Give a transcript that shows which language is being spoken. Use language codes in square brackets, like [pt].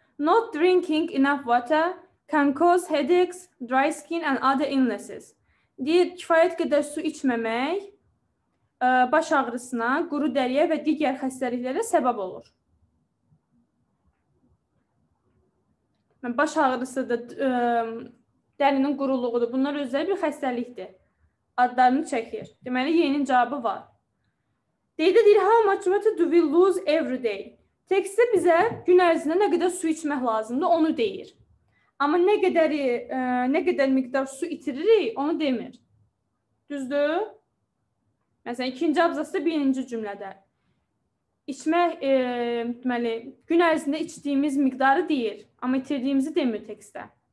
[en] Not drinking enough water can cause headaches, dry skin and other illnesses. [az] Deyir, kifayət qədər su içməmək baş ağrısına, quru dəriyə və digər xəstəliklərə səbəb olur. Baş ağrısı da dərinin quruluğudur. Bunlar özləri bir xəstəlikdir. Adlarını çəkir. Deməli, yeni cavabı var. Deyir, deyir, [en] how much water do we lose every day? [az] Tekstdə bizə gün ərzində nə qədər su içmək lazımdır, onu deyir. Amma nə qədər, nə qədər miqdar su itiririk, onu demir. Düzdür? Məsələn, ikinci abzasda birinci cümlədə. İçmək, deməli, gün ərzində içdiyimiz miqdarı deyir, amma itirdiyimizi demir tekstdə.